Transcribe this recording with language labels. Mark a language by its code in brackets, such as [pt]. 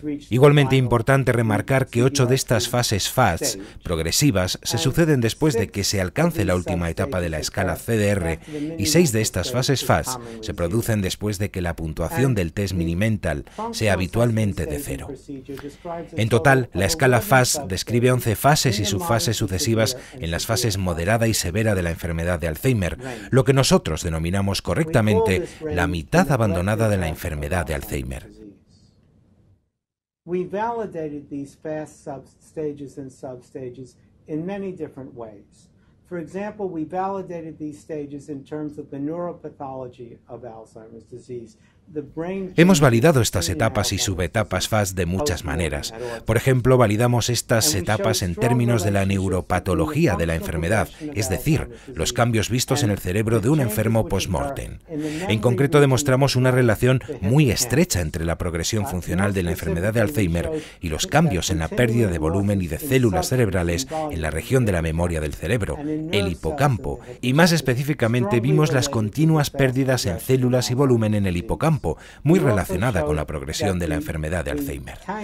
[es] Igualmente importante remarcar que 8 de estas fases FAST progresivas se suceden después de que se alcance la última etapa de la escala CDR y 6 de estas fases FAST se producen después de que la puntuación del test Mini-Mental sea habitualmente de 0. En total, la escala FAST describe 11 fases y subfases sucesivas en las fases moderada y severa de la enfermedad de Alzheimer, lo que nosotros denominamos correctamente la mitad abandonada de la enfermedad de Alzheimer. [en] We validated these fast sub-stages and sub-stages in many different ways. For example, we validated these stages in terms of the neuropathology of Alzheimer's disease. [es] Hemos validado estas etapas y subetapas FAST de muchas maneras. Por ejemplo, validamos estas etapas en términos de la neuropatología de la enfermedad, es decir, los cambios vistos en el cerebro de un enfermo post-mortem. En concreto, demostramos una relación muy estrecha entre la progresión funcional de la enfermedad de Alzheimer y los cambios en la pérdida de volumen y de células cerebrales en la región de la memoria del cerebro, el hipocampo, y más específicamente vimos las continuas pérdidas en células y volumen en el hipocampo, muy relacionada con la progresión de la enfermedad de Alzheimer.